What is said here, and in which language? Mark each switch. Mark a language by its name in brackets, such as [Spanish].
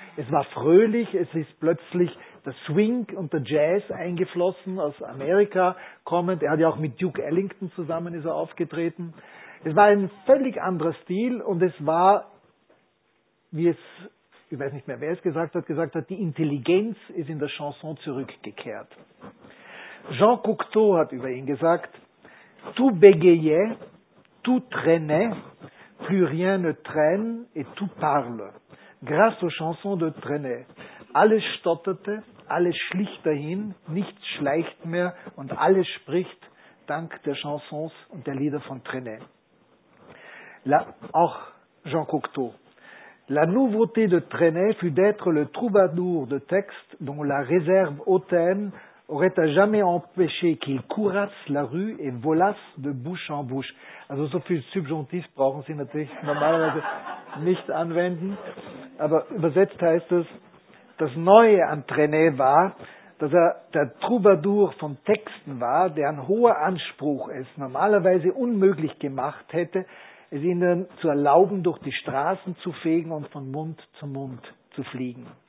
[German] Es war fröhlich, es ist plötzlich der Swing und der Jazz eingeflossen, aus Amerika kommend. Er hat ja auch mit Duke Ellington zusammen ist er aufgetreten. Es war ein völlig anderer Stil und es war, wie es gesagt hat, die Intelligenz ist in der Chanson zurückgekehrt. [French] Jean Cocteau [German] hat über ihn gesagt, [French] tout bégayait, tout traînait, plus rien ne traîne et tout parle. Grâce aux chansons de Trenet, [German] alles stotterte, alles schlich dahin, nichts schleicht mehr und alles spricht dank der Chansons und der Lieder von Trenet. Auch Jean Cocteau. [French] La nouveauté de Trenet fut d'être le troubadour de textes dont la réserve hautaine aurait à jamais empêché qu'il courasse la rue et volasse de bouche en bouche. [German] Also so viel Subjonctif brauchen Sie natürlich normalerweise nicht anwenden. Aber übersetzt heißt es, das Neue an Trenet war, dass er der Troubadour von Texten war, der ein hoher Anspruch es normalerweise unmöglich gemacht hätte, es ihnen zu erlauben, durch die Straßen zu fegen und von Mund zu fliegen.